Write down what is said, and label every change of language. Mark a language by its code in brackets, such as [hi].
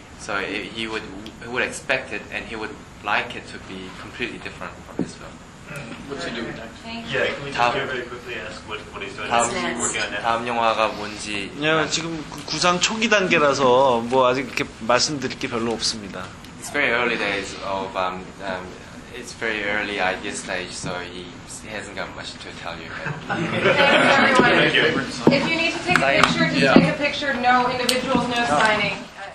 [en] So he would expect it and he would like it to be completely different from his film. What's he doing next? Yeah, can we just very quickly ask what he's doing? Next? Working on that? [ko] 다음 영화가 뭔지. 네, 지금 구상 초기 단계라서 뭐 아직 이렇게 말씀드릴 게 별로 없습니다. [en] It's very early days of it's very early idea stage, so he hasn't got much to tell you. Thank you, everyone. If you need to take a picture, just take a picture. No individuals, no signing.